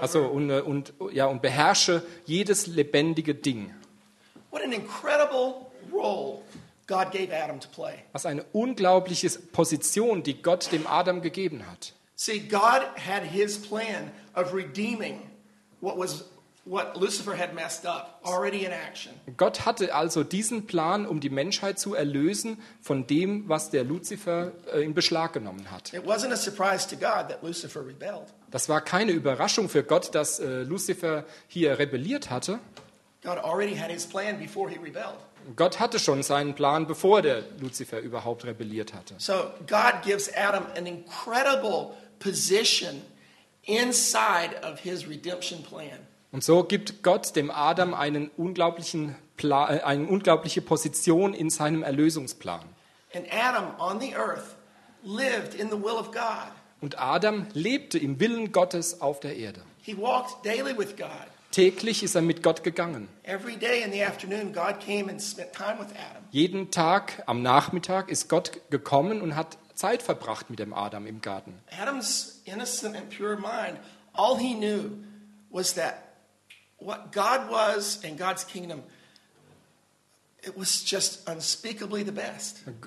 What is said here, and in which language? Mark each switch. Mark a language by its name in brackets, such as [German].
[German] Also und beherrsche jedes lebendige Ding. [English] What an incredible role God gave Adam to play. [German] Was eine unglaubliche Position, die Gott dem Adam gegeben hat. [English] See, God had his plan of redeeming what Lucifer had messed up already in action. [German] Gott hatte also diesen Plan, um die Menschheit zu erlösen von dem, was der Lucifer in Beschlag genommen hat. [English] It wasn't a surprise to God that Lucifer rebelled. [German] Das war keine Überraschung für Gott, dass Lucifer hier rebelliert hatte. [English] God already had his plan before he rebelled. [German] Gott hatte schon seinen Plan, bevor der Lucifer überhaupt rebelliert hatte. [English] So God gives Adam an incredible position inside of his redemption plan. [German] Und so gibt Gott dem Adam eine unglaubliche Position in seinem Erlösungsplan. [English] And Adam on the earth lived in the will of God. [German] Und Adam lebte im Willen Gottes auf der Erde. [English] He walked daily with God. [German] Täglich ist er mit Gott gegangen. [English] Every day in the afternoon God came and spent time with Adam. [German] Jeden Tag am Nachmittag ist Gott gekommen und hat Zeit verbracht mit dem Adam im Garten. [English] Adam's innocent and pure mind, all he knew was that what God was and God's kingdom, it was just unspeakably the best.